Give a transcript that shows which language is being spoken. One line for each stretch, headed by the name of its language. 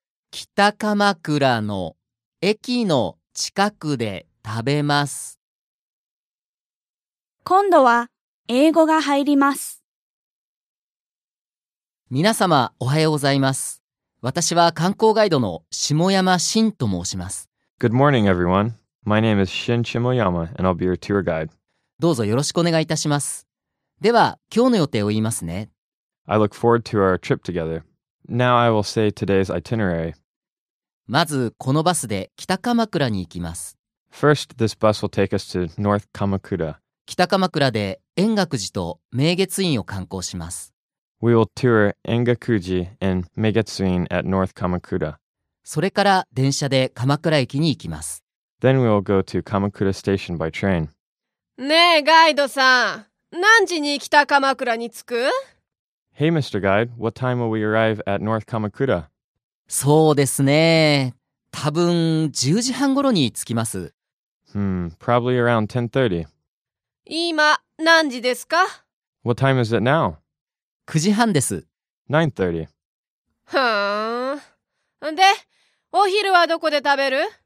Japanese: 北鎌倉の駅の近くで食べます。今度は英語が入ります。皆様おはようございます。私は観光ガイドの下山真と申します。
English: Good morning, everyone. My name is Shin Shimoyama, and I'll be your tour guide.
Japanese: どうぞよろしくお願いいたします。では、今日の予定を言いますね。
English: I look forward to our trip together. Now I will say today's itinerary.
Japanese: まず、このバスで北鎌倉に行きます。
English: First, this bus will take us to North Kamakura.
Japanese: 北鎌倉で円覚寺と明月院を観光します。
English: We will tour Engakuji and Megetsuin at North Kamakura.
Japanese: それから電車で鎌倉駅に行きます。
English: Then we'll go to Kamakura Station by train.
Japanese: ねえ、ガイドさん。何時に北鎌倉に着く？
English: Hey, Mr. Guide. What time will we arrive at North Kamakura?
Japanese: そうですね。多分10時半頃に着きます。
English: Probably around 10:30.
Japanese: 今、何時ですか？
English: What time is it now?
Japanese: 9時半です。
English: 9:30. はぁ。
Japanese: で、お昼はどこで食べる？